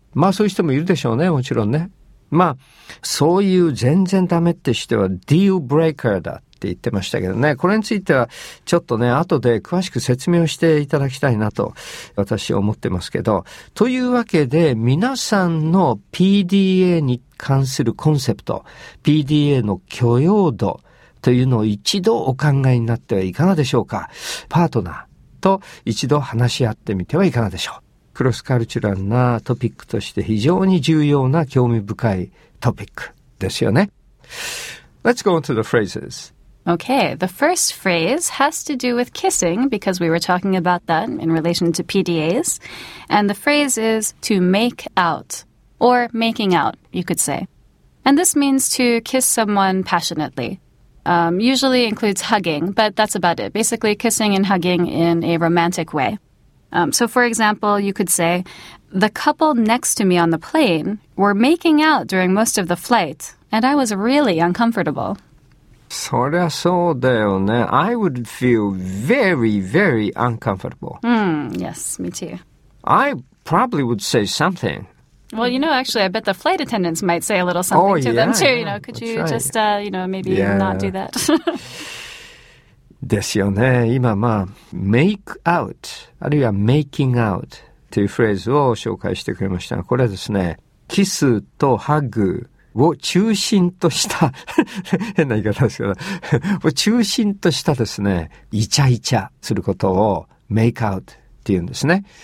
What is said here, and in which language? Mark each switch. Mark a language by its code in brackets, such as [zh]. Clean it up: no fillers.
[ja] まあそういう人もいるでしょうね、もちろんね。まあそういう全然ダメって人は deal breaker だって言ってましたけどね、これについてはちょっとね、後で詳しく説明をしていただきたいなと私は思ってますけど、というわけで皆さんの PDA に関するコンセプト、 PDA の許容度というのを一度お考えになってはいかがでしょうか。パートナーと一度話し合ってみてはいかがでしょう。クロスカルチュラルなトピックとして非常に重要な興味深いトピックですよね。 [en] Let's go on to the phrases. Okay, the first phrase has to do with kissing because we were talking about that in relation to PDAs. And the phrase is to make out or making out, you could say. And this means to kiss someone passionately. Usually includes hugging, but that's about it. Basically kissing and hugging in a romantic way. So for example, you could say, the couple next to me on the plane were making out during most of the flight, and I was really uncomfortable. [ja] そりゃそうだよね。 [en] I would feel very, very uncomfortable. Yes, me too. I probably would say something. Well, you know, actually, I bet the flight attendants might say a little something them too. You know, could you just, you know, maybe not do that? [ja] ですよね。今まあ make out あるいは making out というフレーズを紹介してくれましたが、これはですね、キスとハグを中心とした変な言い方ですけどを中心としたですねイチャイチャすることをメイクアウトって言うんですね。